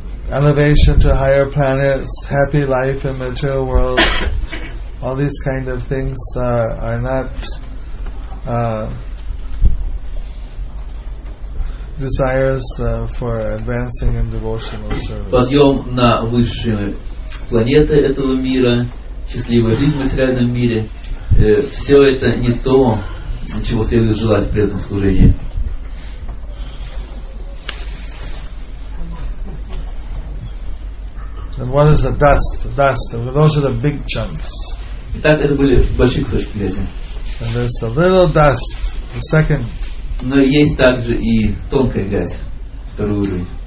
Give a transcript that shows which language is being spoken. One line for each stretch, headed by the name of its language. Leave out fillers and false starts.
English: Elevation to higher planets, happy life in material world, all these kind of things are not desires for advancing in devotional service.
Russian: Подъем на высшие планеты этого мира, счастливая жизнь в материальном мире, все это не то, чего следует желать при этом служении.
English: And what is the dust? The dust. Those are the big chunks.
Russian: Итак, это были большие кусочки грязи.
English: And there's the little dust, the second.
Russian: Но есть также и тонкая грязь, вторую уровень.